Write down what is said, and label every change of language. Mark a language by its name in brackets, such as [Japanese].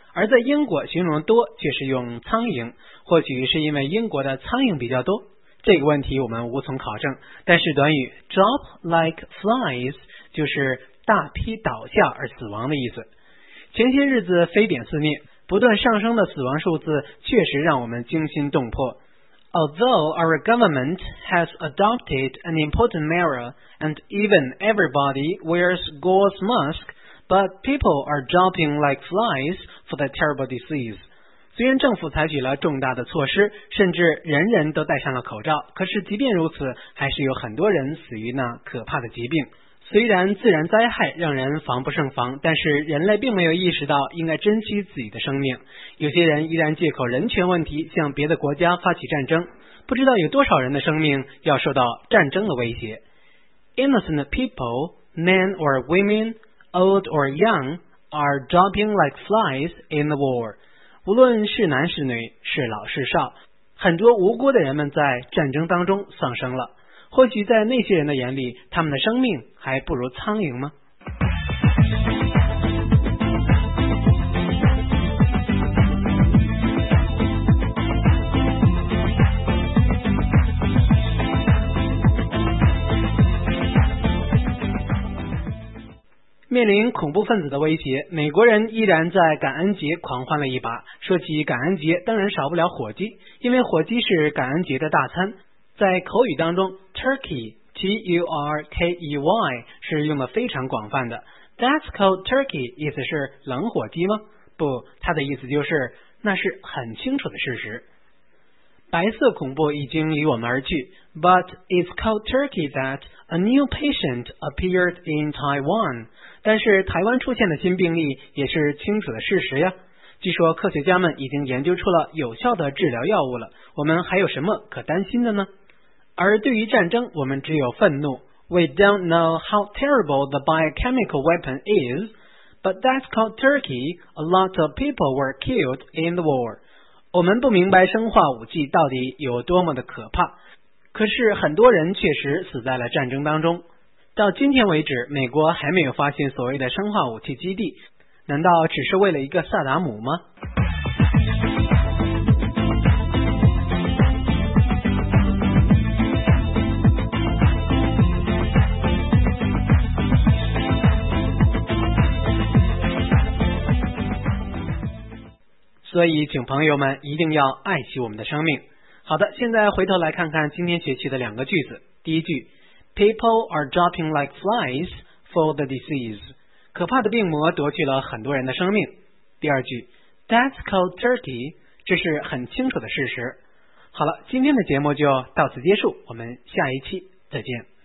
[Chinese] 而在英国形容多却是用苍蝇，或许是因为英国的苍蝇比较多。这个问题我们无从考证，但是短语 [English] drop like flies [Chinese] 就是大批倒下而死亡的意思。前些日子非典肆虐，不断上升的死亡数字确实让我们惊心动魄。 [English] Although our government has adopted an important measure and even everybody wears gauze mask, but people are dropping like flies for the terrible disease. [Chinese] 虽然政府采取了重大的措施，甚至人人都戴上了口罩，可是即便如此，还是有很多人死于那可怕的疾病。虽然自然灾害让人防不胜防，但是人类并没有意识到应该珍惜自己的生命。有些人依然借口人权问题向别的国家发起战争，不知道有多少人的生命要受到战争的威胁。 [English] Innocent people, men or women, old or young, are dropping like flies in the war. [Chinese] 无论是男是女，是老是少，很多无辜的人们在战争当中丧生了。或许在那些人的眼里，他们的生命还不如苍蝇吗？面临恐怖分子的威胁，美国人依然在感恩节狂欢了一把。说起感恩节，当然少不了火鸡，因为火鸡是感恩节的大餐。在口语当中 Turkey T-U-R-K-E-Y 是用的非常广泛的。 [English] That's cold turkey [Chinese] 意思是冷火鸡吗？不，它的意思就是那是很清楚的事实。白色恐怖已经离我们而去， [English] But it's cold turkey that a new patient appeared in Taiwan. [Chinese] 但是台湾出现的新病例也是清楚的事实呀。据说科学家们已经研究出了有效的治疗药物了，我们还有什么可担心的呢？而对于战争，我们只有愤怒。 [English] We don't know how terrible the biochemical weapon is, but that's called Turkey. A lot of people were killed in the war. [Chinese] 我们不明白生化武器到底有多么的可怕，可是很多人确实死在了战争当中。到今天为止，美国还没有发现所谓的生化武器基地，难道只是为了一个萨达姆吗？所以请朋友们一定要爱惜我们的生命。好的，现在回头来看看今天学习的两个句子。第一句， [English] People are dropping like flies for the disease. [Chinese] 可怕的病魔夺去了很多人的生命。第二句， [English] That's cold turkey. [Chinese] 这是很清楚的事实。好了，今天的节目就到此结束，我们下一期再见。